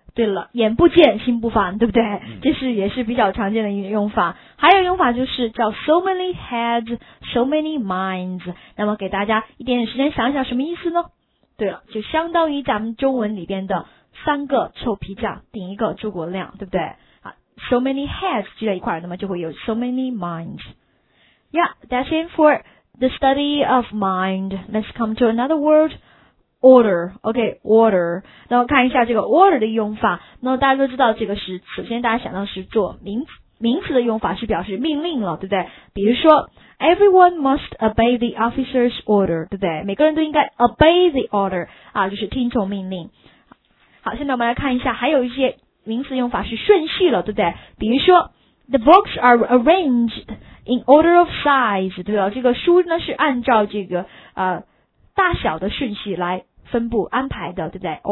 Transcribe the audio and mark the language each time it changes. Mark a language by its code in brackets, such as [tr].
[zh] 对了，眼不见心不烦，对不对？这是也是比较常见的一个用法。还有用法就是叫 [en] so many heads, so many minds。 [zh] 那么给大家一点点时间想一想什么意思呢？对了，就相当于咱们中文里边的三个臭皮匠顶一个诸葛亮，对不对？好， [en] so many heads [zh] 聚在一块儿，那么就会有 [en] so many minds. Yeah, that's it for the study of mind. Let's come to another word. Order, okay, order. [zh] 那我看一下这个 order 的用法。那大家都知道这个是，首先大家想到是做名词的用法是表示命令了，对不对？比如说 [en] ,everyone must obey the officer's order, [zh] 对不对？每个人都应该 [en] obey the order, [zh] 啊，就是听从命令。好，现在我们来看一下还有一些名词用法是顺序了，对不对？比如说 , [en] the books are arranged in order of size, [zh] 对吧？这个书呢是按照这个大小的顺序来分布安排的，对不对？